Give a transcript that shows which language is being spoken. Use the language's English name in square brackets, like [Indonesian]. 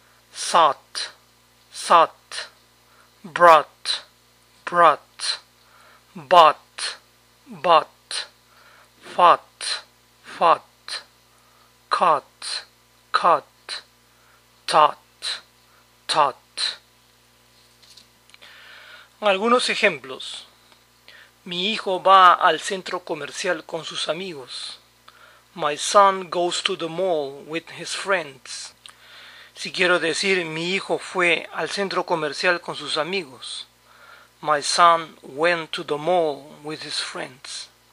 [English] sought, sought, brought, brought, bought, bought, fought, fought, caught, caught, taught, taught. [Spanish] Algunos ejemplos. Mi hijo va al centro comercial con sus amigos. [English] My son goes to the mall with his friends. [Spanish] Si quiero decir mi hijo fue al centro comercial con sus amigos. [English] My son went to the mall with his friends.